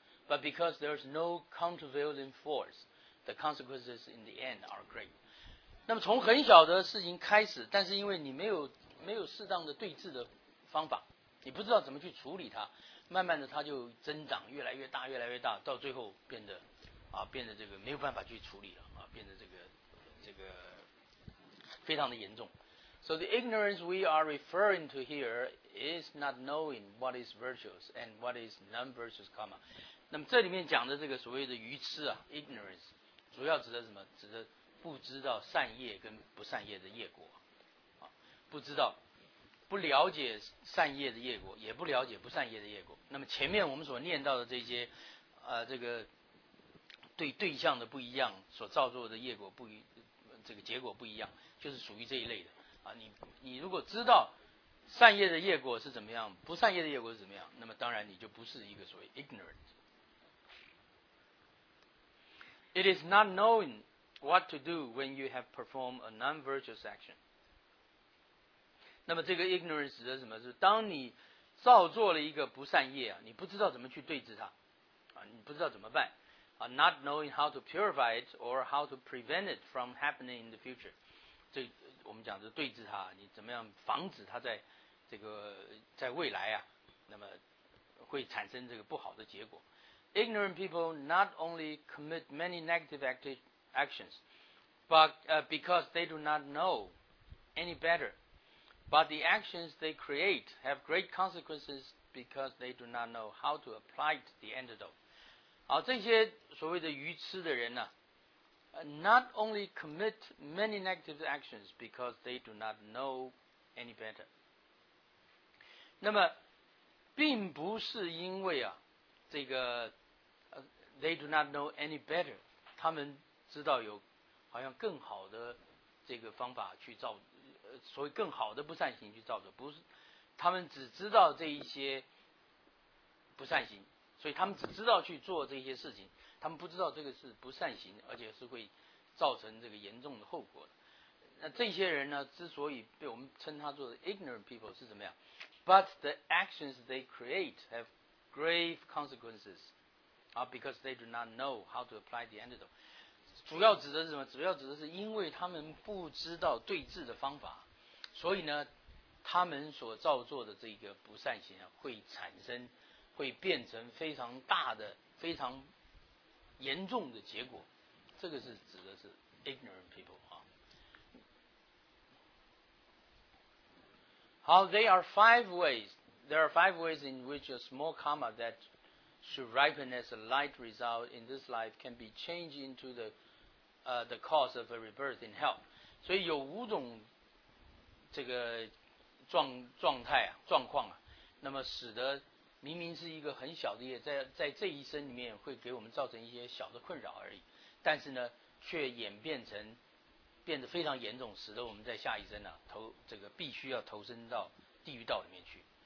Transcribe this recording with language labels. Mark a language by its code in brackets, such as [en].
[en] But because there's no countervailing force， the consequences in the end are great。 [zh] 那么从很小的事情开始，但是因为你没有适当的对治的方法，你不知道怎么去处理它，慢慢的它就增长越来越大越来越大，到最后变得这个没有办法去处理了啊，变得这个非常的严重。 [en] So the ignorance we are referring to here is not knowing what is virtuous and what is non-virtuous karma。 [zh] 那么这里面讲的这个所谓的愚痴啊 ignorance 主要指的什么，指的不知道善业跟不善业的业果啊，不知道不了解善业的业果，也不了解不善业的业果。那么前面我们所念到的这些这个对对象的不一样，所造作的业果不一，这个结果不一样，就是属于这一类的啊。你如果知道善业的业果是怎么样，不善业的业果是怎么样，那么当然你就不是一个所谓 ignorant。 [en] It is not knowing what to do when you have performed a non-virtuous action。 [zh] 那么这个 ignorance 指的是什么，是当你造作了一个不善业啊，你不知道怎么去对治它啊，你不知道怎么办啊， [en] not knowing how to purify it or how to prevent it from happening in the future。 [zh] 这我们讲的对治它，你怎么样防止它在这个在未来啊，那么会产生这个不好的结果。 [en] Ignorant people not only commit many negative actions but because they do not know any better, but the actions they create have great consequences because they do not know how to apply the antidote。 [zh] 好，这些所谓的愚痴的人呢、啊、 [en] not only commit many negative actions because they do not know any better。 [zh] 那么并不是因为啊这个 [en] they do not know any better， [zh] 他们知道有好像更好的这个方法去造所谓更好的不善行去造作，不是，他们只知道这一些不善行，所以他们只知道去做这些事情，他们不知道这个是不善行，而且是会造成这个严重的后果的。那这些人呢，之所以被我们称他做 [en] ignorant people [zh] 是怎么样？ [en] But the actions they create have grave consequences because they do not know how to apply the antidote。 [zh] 主要指的是什么？主要指的是因为他们不知道对治的方法，所以呢他们所造作的这个不善行、啊、会产生会变成非常大的非常严重的结果。这个是指的是 [en] ignorant people [zh] 啊。好， [en] there are five ways in which a small karma that should ripen as a light result in this life can be changed into the cause of a rebirth in hell。 [zh] 所以有五种这个状况啊，那么使得明明是一个很小的业，在这一生里面会给我们造成一些小的困扰而已，但是呢却演变成变得非常严重，使得我们在下一生啊投这个必须要投身到地狱道里面去。